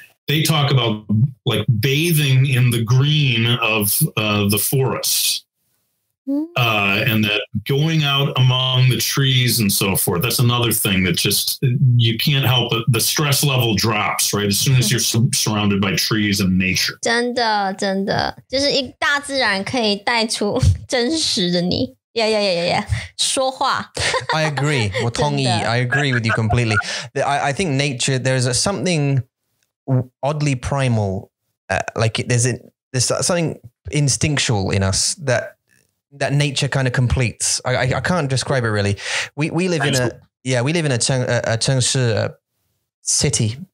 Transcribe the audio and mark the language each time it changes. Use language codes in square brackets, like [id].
[en] They talk about like bathing in the green of the forest and that going out among the trees and so forth. That's another thing that just, you can't help it. The stress level drops, right? As soon as you're surrounded by trees and nature. [zh] 真的,真的,就是一大自然可以带出真实的你。 [en] Yeah. [zh] 说话. [en] I agree. [zh] 我同意, [en] I agree with you completely. I think nature, there's something oddly primal, there's something instinctual in us that nature kind of completes. I can't describe it really. We live in a 城市, a city.